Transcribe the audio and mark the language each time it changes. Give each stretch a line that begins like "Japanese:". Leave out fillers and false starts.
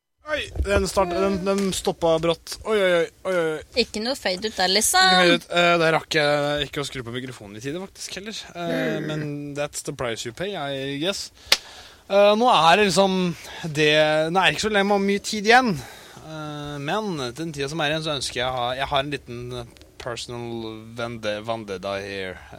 Norwegian: Oi, den stoppet brått. Oi. Ikke noe fade ut der, liksom. Det rakk jeg ikke å skru på mikrofonen i tide, faktisk, heller.
English: Men that's the price you pay, I guess.
Norwegian: Nå er det liksom... Nå er det ikke så lenge man har mye tid igjen. Men den tiden som igjen, så ønsker jeg å ha... Jeg har en liten
English: personal vendetta here.